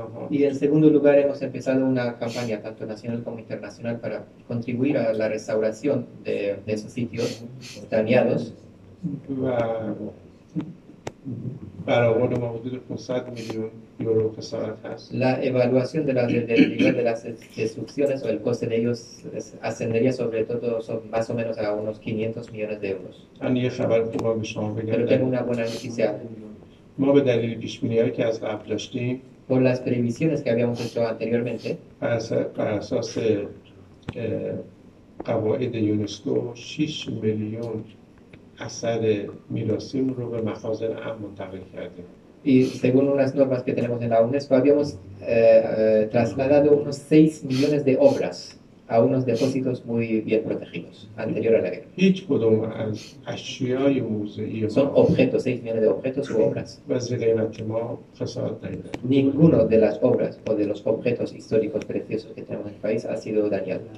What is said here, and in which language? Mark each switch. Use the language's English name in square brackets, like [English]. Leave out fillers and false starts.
[Spanish] Y en segundo lugar, hemos empezado una campaña, tanto nacional como internacional, para contribuir a la restauración de esos sitios dañados. [Persian] برآورد ما حدود 500 میلیون یورو خسارت هست. [Spanish] La evaluación de las destrucciones o el coste de ellos ascendería sobre todo más o menos a unos 500 millones de euros. [Persian] آن یه خبر خوبه به شما بگم. [Spanish] Pero tengo una buena noticia. [Persian] ما به دلیل پیشبینی‌هایی که از قبل داشتیم. [Spanish] Por las previsiones que habíamos hecho anteriormente. [Persian] بر اساس قواعد یونسکو 6 میلیون اثر میراثیم رو به مخازن امن منتقل کردیم. [Spanish] Y según unas normas que tenemos en la UNESCO, habíamos trasladado unos 6 millones de obras a unos depósitos muy bien protegidos, anterior a la guerra. [Persian] هیچ کدوم از اشیای موزه‌ای ما. [Spanish] Son objetos, 6 millones de objetos u obras. [Persian] وزیدینات ما خسارت دیده. [Spanish] Ninguno de las obras o de los objetos históricos preciosos que tenemos en el país ha sido dañado.